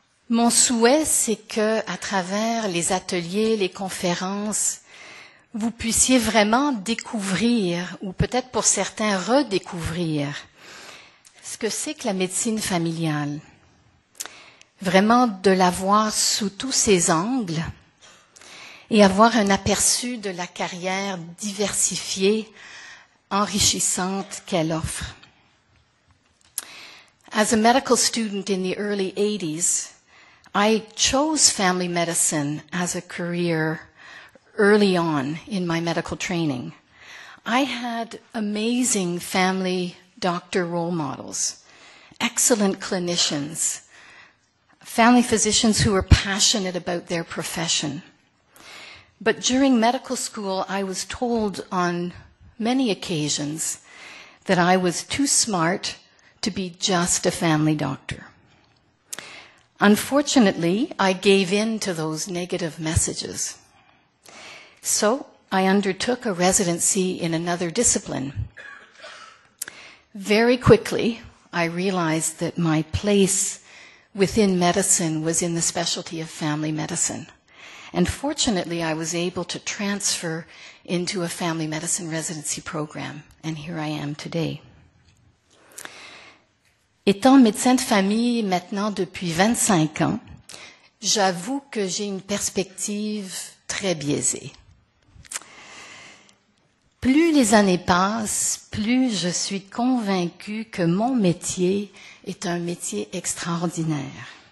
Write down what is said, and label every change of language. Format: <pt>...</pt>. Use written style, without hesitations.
<fr>Mon souhait, c'est que, à travers les ateliers, les conférences, vous puissiez vraiment découvrir, ou peut-être pour certains redécouvrir, ce que c'est que la médecine familiale. Vraiment de la voir sous tous ses angles et avoir un aperçu de la carrière diversifiée, enrichissante qu'elle offre.</fr> <en>As a medical student in the early 80s, I chose family medicine as a career early on in my medical training. I had amazing family doctor role models, excellent clinicians, family physicians who were passionate about their profession. But during medical school, I was told on many occasions that I was too smart to be just a family doctor. Unfortunately, I gave in to those negative messages. So I undertook a residency in another discipline. Very quickly, I realized that my place within medicine was in the specialty of family medicine. And fortunately, I was able to transfer into a family medicine residency program, and here I am today.</en> <fr>Étant médecin de famille maintenant depuis 25 ans, j'avoue que j'ai une perspective très biaisée. Plus les années passent, plus je suis convaincue que mon métier est un métier extraordinaire.</fr>